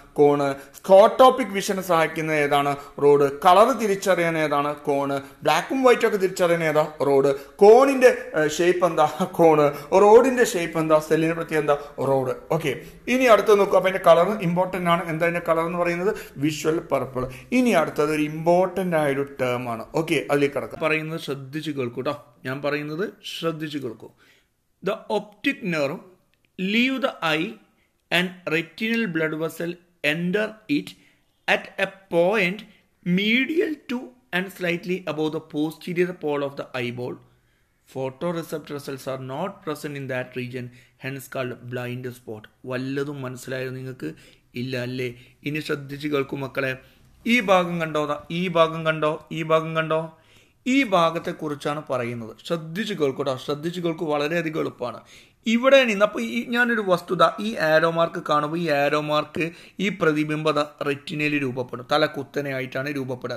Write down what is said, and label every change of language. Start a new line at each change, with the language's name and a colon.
Malayalam: Cone, സ്കോട്ടോപ്പിക് വിഷന് സഹായിക്കുന്ന ഏതാണ് road, colour തിരിച്ചറിയാൻ ഏതാണ് കോണ്, ബ്ലാക്കും വൈറ്റും ഒക്കെ തിരിച്ചറിയാൻ ഏതാ റോഡ്, കോണിന്റെ ഷേപ്പ് എന്താ കോണ്, റോഡിന്റെ ഷേപ്പ് എന്താ, സെല്ലിന് പ്രത്യേകം എന്താ റോഡ്. ഓക്കെ, ഇനി അടുത്ത് നോക്കുക. അപ്പൊ അതിന്റെ കളറ് ഇമ്പോർട്ടന്റ് ആണ്. എന്താ അതിന്റെ കളർ എന്ന് പറയുന്നത്? Visual purple. ഇനി അടുത്തത് ഒരു ഇമ്പോർട്ടന്റ് ആയൊരു ടേം ആണ്. ഓക്കെ, അതിലേക്ക് കടക്കാം. പറയുന്നത് ശ്രദ്ധിച്ച് കേൾക്കൂ കേട്ടോ, ഞാൻ പറയുന്നത് ശ്രദ്ധിച്ച് കേൾക്കൂ.
English: The optic nerve leave the eye and retinal blood vessel enter it at a point medial to and slightly above the posterior pole of the eyeball. Photoreceptor cells are not present in that region, hence called blind spot.
Malayalam: വല്ലതും മനസ്സിലായോ നിങ്ങൾക്ക്? ഇല്ല അല്ലേ? ഇനി ശ്രദ്ധിച്ച് കേൾക്കും മക്കളെ. ഈ ഭാഗം കണ്ടോ, ഈ ഭാഗം കണ്ടോ, ഈ ഭാഗം കണ്ടോ, ഈ ഭാഗത്തെ കുറിച്ചാണ് പറയുന്നത്. ശ്രദ്ധിച്ച് കേൾക്കൂട്ടോ, ശ്രദ്ധിച്ച് കേൾക്കൂ, വളരെയധികം എളുപ്പമാണ്. ഇവിടെ നിന്ന് അപ്പോൾ ഈ ഞാനൊരു വസ്തുത, ഈ ആരോ മാർക്ക് കാണുമ്പോൾ ഈ ആരോ മാർക്ക് ഈ പ്രതിബിംബത റെറ്റിനയിൽ രൂപപ്പെടും, തലകുത്തനെയായിട്ടാണ് രൂപപ്പെടുക.